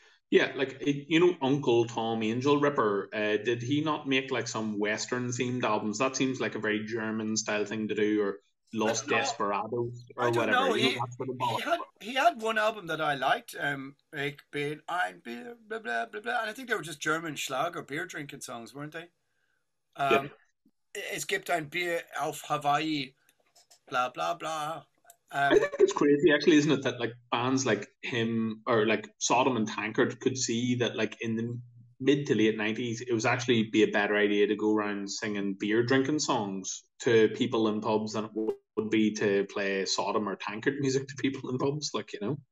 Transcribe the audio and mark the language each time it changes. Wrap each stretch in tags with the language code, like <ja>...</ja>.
<en>Yeah, like, you know, Uncle Tom Angel Ripper, did he not make like some Western themed albums? That seems like a very German style thing to do, or Los Desperados, or whatever. Know. He had one album that I liked, blah, blah, blah, blah, and I think they were just German schlag or beer drinking songs, weren't they?</en> <de>Es gibt ein Bier auf Hawaii, blah, blah, blah.</de> <en>I think it's crazy, actually, isn't it, that like bands like him or like Sodom and Tankard could see that, like, in the mid to late 90s, it was actually be a better idea to go around singing beer drinking songs to people in pubs than it would be to play Sodom or Tankard music to people in pubs, like, you know?</en>